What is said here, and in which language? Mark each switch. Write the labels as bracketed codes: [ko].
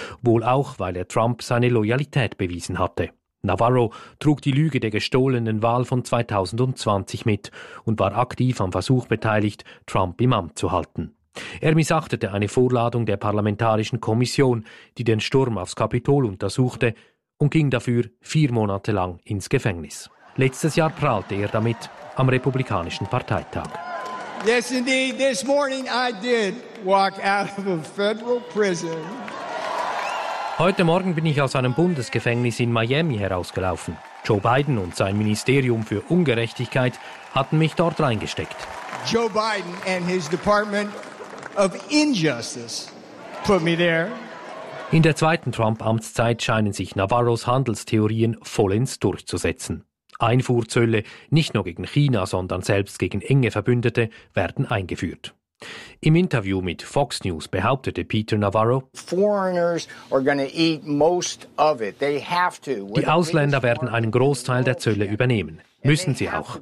[de] Wohl auch, weil er Trump seine Loyalität bewiesen hatte. Navarro trug die Lüge der gestohlenen Wahl von 2020 mit und war aktiv am Versuch beteiligt, Trump im Amt zu halten. Er missachtete eine Vorladung der Parlamentarischen Kommission, die den Sturm aufs Kapitol untersuchte, und ging dafür 4 Monate lang ins Gefängnis. Letztes Jahr prahlte er damit am Republikanischen Parteitag. [en] Yes, indeed. This morning I did walk out of a federal prison. [de] Heute Morgen bin ich aus einem Bundesgefängnis in Miami herausgelaufen. Joe Biden und sein Ministerium für Ungerechtigkeit hatten mich dort reingesteckt. [en] Joe Biden and his Department of Injustice put me there. [de] In der zweiten Trump-Amtszeit scheinen sich Navarros Handelstheorien vollends durchzusetzen. Einfuhrzölle, nicht nur gegen China, sondern selbst gegen enge Verbündete, werden eingeführt. Im Interview mit Fox News behauptete Peter Navarro, die Ausländer werden einen Großteil der Zölle übernehmen. Müssen sie auch.